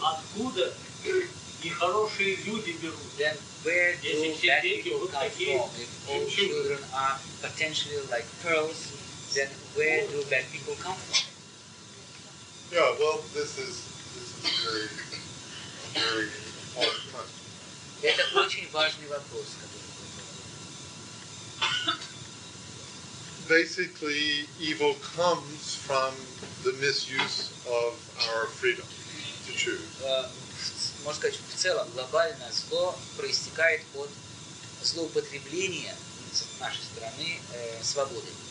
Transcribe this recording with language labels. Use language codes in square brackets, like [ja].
[ru] откуда нехорошие люди берут? [en] Where do bad people come from? If all children are potentially like pearls, then where do bad people come from? Yeah, well, this is a very, very important question. [ru] Это очень важный вопрос. [en] Basically, evil comes from the misuse of our freedom to choose. [ru] Можно сказать, в целом глобальное зло проистекает от злоупотребления с нашей стороны свободы.